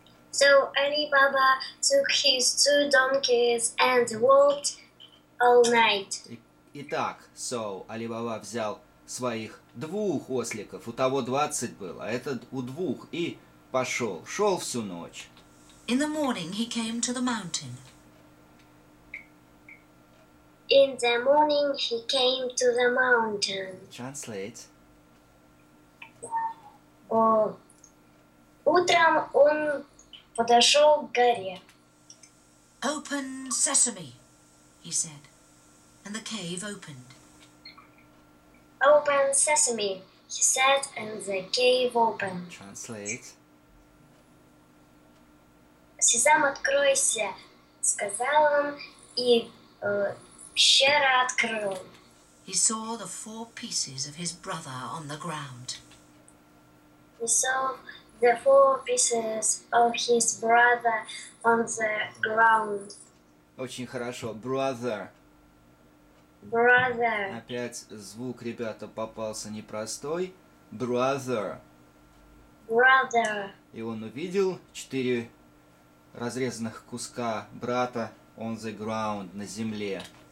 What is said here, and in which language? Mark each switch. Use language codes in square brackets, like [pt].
[en] So Али-Баба took his two donkeys and walked all night. [ru] Итак, so Али-Баба взял своих двух осликов. У того 20 было, а этот у двух. И пошел. Шел всю ночь. [en] In the morning he came to the mountain. In the morning he came to the mountain. Translate. [ru] Утром он подошел к горе. [en] Open sesame, he said, and the cave opened. Open sesame, he said, and the cave opened. Translate. [ru] Сезам, откройся, сказал он, и пещера открыл. [en] He saw the four pieces of his brother on the ground. He saw the four pieces of his brother on the ground. [ru] Очень хорошо. Brother. [en] Brother. [ru] Опять звук, ребята, попался непростой. [en] Brother. Brother. [ru] И он увидел четыре разрезанных куска брата [en] on the ground, [ru] на земле.